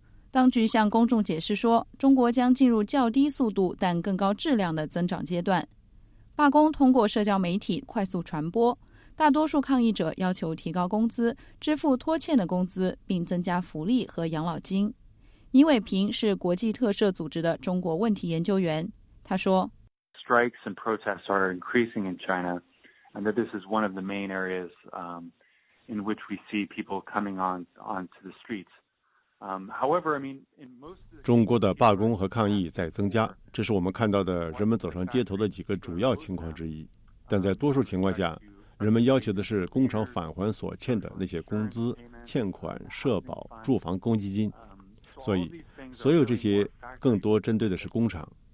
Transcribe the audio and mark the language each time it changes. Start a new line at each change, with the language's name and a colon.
Chinese: 当局向公众解释说，中国将进入较低速度但更高质量的增长阶段。罢工通过社交媒体快速传播，大多数抗议者要求提高工资、支付拖欠的工资，并增加福利和养老金。倪伟平是国际特赦组织的中国问题研究员，他说
English: Strikes and protests are increasing in China, and that this is one of the main areas in which we see people coming onto the streets.
Chinese: 中国的罢工和抗议在增加，这是我们看到的人们走上街头的几个主要情况之一。但在多数情况下，人们要求的是工厂返还所欠的那些工资、欠款、社保、住房公积金。所以，所有这些更多针对的是工厂。